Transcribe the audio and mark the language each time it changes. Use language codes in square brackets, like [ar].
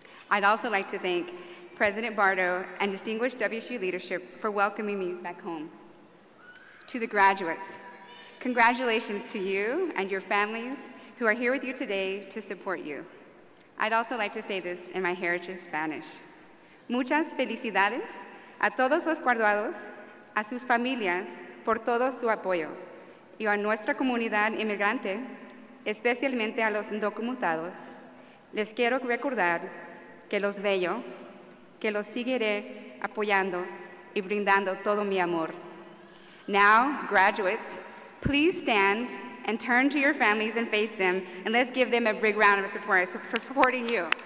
[en] I'd also like to thank President Bardo and distinguished WSU leadership for welcoming me back home. To the graduates, congratulations to you and your families who are here with you today to support you. I'd also like to say this in my heritage Spanish. [es] Muchas felicidades a todos los graduados, a sus familias, por todo su apoyo, y a nuestra comunidad inmigrante, especialmente a los indocumentados. Les quiero recordar que los veo, que los seguiré apoyando y brindando todo mi amor. [en] Now, graduates, please stand and turn to your families and face them, and let's give them a big round of support for supporting you.